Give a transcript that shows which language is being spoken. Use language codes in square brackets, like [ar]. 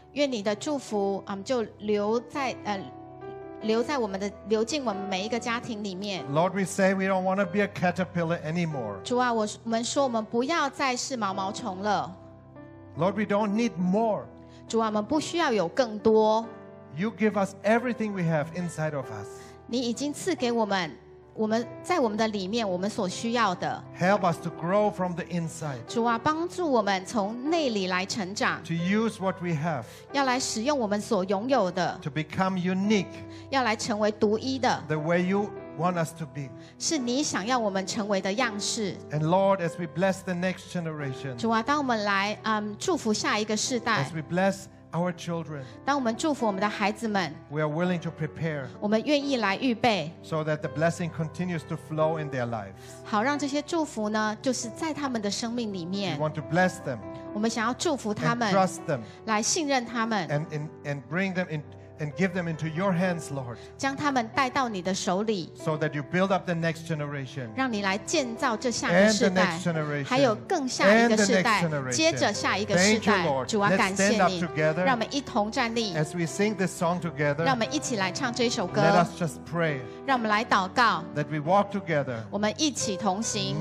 [zh] 愿你的祝福就留在留在我们的流进我们每一个家庭里面。 [en] Lord, we say we don't want to be a caterpillar anymore. [zh] 主啊，我们说我们不要再是毛毛虫了。 [en] Lord, we don't need more. [zh] 主啊，我们不需要有更多。 [en] You give us everything we have inside of us. [zh] 你已经赐给我们。我们在我们的里面我们所需要的 [en] Help us to grow from the inside [zh] 主啊帮助我们从内里来成长 [en] To use what we have [zh] 要来使用我们所拥有的 [en] To become unique [zh] 要来成为独一的 [en] The way you want us to be [zh] 是你想要我们成为的样式 [en] And Lord as we bless the next generation [zh] 主啊当我们来祝福下一个世代 [en] As we bless our children [zh] 当我们祝福我们的孩子们 [en] we are willing to prepare [zh] 我们愿意来预备 [en] so that the blessing continues to flow in their lives [zh] 好让这些祝福呢就是在他们的生命里面 [en] we want to bless them [zh] 我们想要祝福他们 [en] and trust them [zh] 来信任他们 [en] and bring them in and give them into your hands Lord [zh] 将他们带到你的手里 [en] so that you build up the next generation [zh] 让你来建造这下一个世代 [en] and the next generation [zh] 还有更下一个世代接着下一个世代 [en] Thank you, Lord. [zh] 主啊感谢你 [en] Let's stand up together [zh] 让我们一同站立 [en] as we sing this song together [zh] 让我们一起来唱这首歌 [en] let us just pray [zh] 让我们来祷告 [en] that we walk together [zh] 我们一起同行